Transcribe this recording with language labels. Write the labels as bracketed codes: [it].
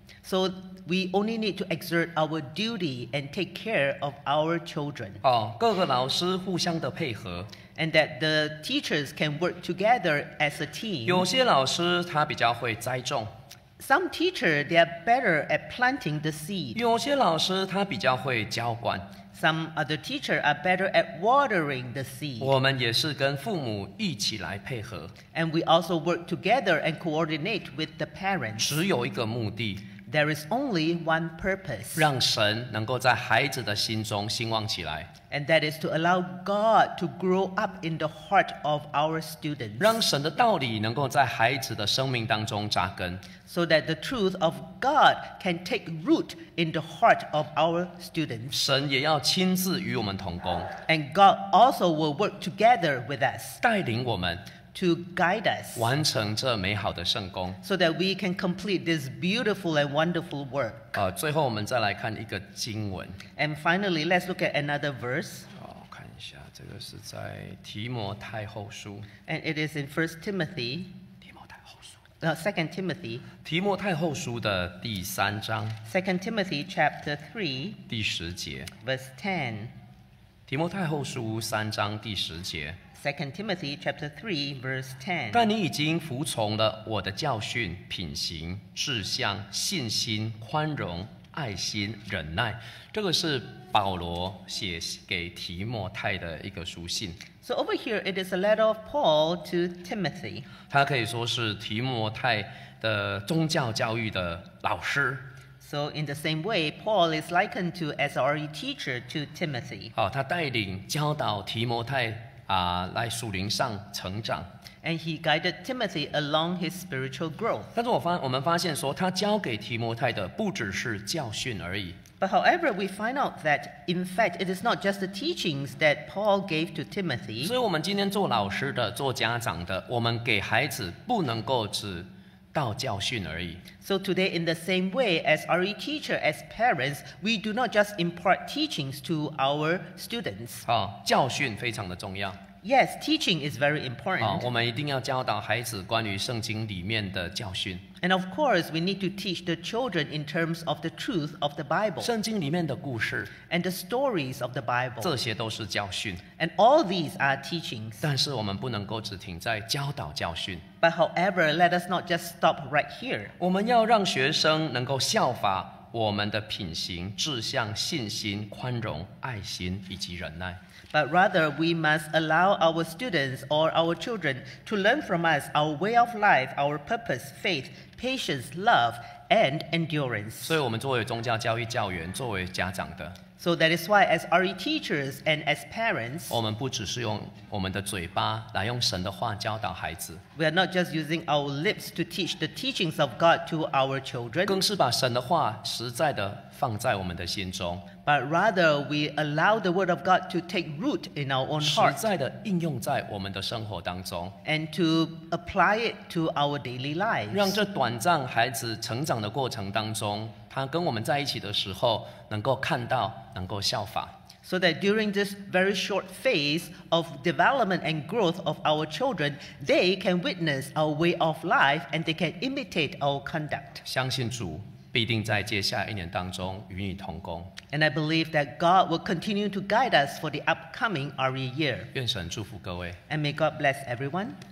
[en] So we only need to exert our duty and take care of our children. [zh] 各个老师互相的配合。 [en] And that the teachers can work together as a team. [zh] 有些老师他比较会栽种。 [en] Some teachers, they are better at planting the seed. [zh] 有些老师他比较会浇灌。 [en] Some other teachers are better at watering the seed. [zh] 我们也是跟父母一起来配合。 [en] And we also work together and coordinate with the parents. [zh] 只有一个目的。 [en] There is only one purpose. [zh] 让神能够在孩子的心中兴旺起来。 [en] And that is to allow God to grow up in the heart of our students. [zh] 让神的道理能够在孩子的生命当中扎根。 [en] So that the truth of God can take root in the heart of our students. [zh] 神也要亲自与我们同工。 [en] And God also will work together with us. [zh] 带领我们。 [en] To guide us, [zh] 完成这美好的圣工 [en] so that we can complete this beautiful and wonderful work. [zh] 最后我们再来看一个经文 [en] And finally, let's look at another verse. [zh] 看一下，这个是在提摩太后书 [en] And it is in 1 Timothy. [zh] 提摩太后书 [en] 2 Timothy. [zh] 提摩太后书的第三章 [en] 2 Timothy chapter 3. [zh] 第十节 [en] Verse 10. [zh] 提摩太后书三章第十节 [en] 2 Timothy chapter 3 verse 10 [zh] 但你已经服从了我的教训品行志向信心宽容爱心忍耐这个是保罗写给提摩太的一个书信 [en] So over here it is a letter of Paul to Timothy [zh] 他可以说是提摩太的宗教教育的老师 [en] So in the same way, Paul is likened to as a RE teacher to Timothy [zh] 他带领教导提摩太来属灵上成长。 [en] And he guided Timothy along his spiritual growth. [zh] 但是我们发现说，他教给提摩太的不只是教训而已。 [en] But however, we find out that in fact it is not just the teachings that Paul gave to Timothy. [zh] 所以我们今天做老师的、做家长的，我们给孩子不能够只到教训而已。 [en] So today, in the same way as RE teacher, as parents, we do not just impart teachings to our students. [zh] 教训非常的重要。 [en] Yes, teaching is very important. [zh] 我们一定要教导孩子关于圣经里面的教训。 [en] And of course, we need to teach the children in terms of the truth of the Bible. [zh] 圣经里面的故事。 [en] And the stories of the Bible. [zh] 这些都是教训。 [en] And all these are teachings. [zh] 但是我们不能够只停在教导教训。 [en] But however, let us not just stop right here. [zh] 我们要让学生能够效法我们的品行，志向信心、宽容、爱心以及忍耐。 [en] But rather, we must allow our students or our children to learn from us our way of life, our purpose, faith, patience, love, and endurance. [zh] 所以我们作为宗教教育教员，作为家长的。 [en] So that is why, as RE teachers and as parents, [zh] 我们不只是用我们的嘴巴来用神的话教导孩子。 [en] We are not just using our lips to teach the teachings of God to our children. [zh] 更是把神的话实在的放在我们的心中。 [en] But rather, we allow the word of God to take root in our own heart. [zh] 实在的应用在我们的生活当中。 [en] And to apply it to our daily lives. [zh] 让这短暂孩子成长的过程当中，他跟我们在一起的时候，能够看到，能够效法。 [en] So that during this very short phase of development and growth of our children, they can witness our way of life and they can imitate our conduct. [zh] 相信主必定在接下一年当中与你同工。 [en] And I believe that God will continue to guide us for the upcoming RE year. [zh] 愿神祝福各位。 [en] And may God bless everyone.